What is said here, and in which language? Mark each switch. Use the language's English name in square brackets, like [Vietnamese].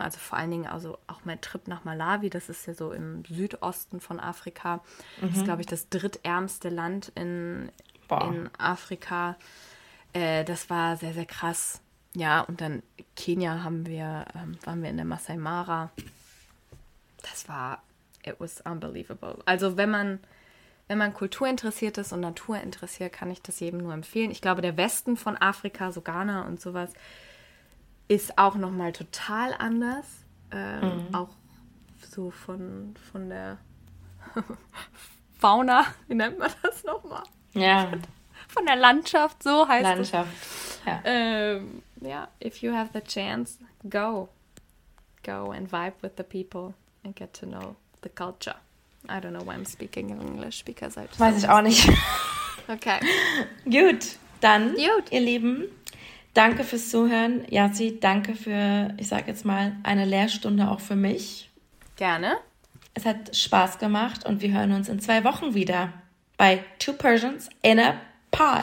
[German] Also vor allen Dingen, also auch mein Trip nach Malawi, das ist ja so im Südosten von Afrika. Das ist, glaube ich, das drittärmste Land in Afrika. Das war sehr, sehr krass. Ja, und dann Kenia waren wir in der Masai Mara. Das war, [English] it was unbelievable. [German] Also wenn man Kultur interessiert ist und Natur interessiert, kann ich das jedem nur empfehlen. Ich glaube, der Westen von Afrika, so Ghana und sowas, ist auch nochmal total anders. Auch so von der Fauna, wie nennt man das nochmal? Ja. Von der Landschaft, so heißt es. Landschaft, das. [English] Yeah, if you have the chance, go. Go and vibe with the people and get to know the culture. I don't know why I'm speaking in English, because I just... [German] Weiß ich auch nicht. Okay. Gut, dann, ihr Lieben, danke fürs Zuhören. Yassi, danke für, ich sag jetzt mal, eine Lehrstunde auch für mich. Gerne. Es hat Spaß gemacht und wir hören uns in 2 Wochen wieder bei Two Persians in a Pod.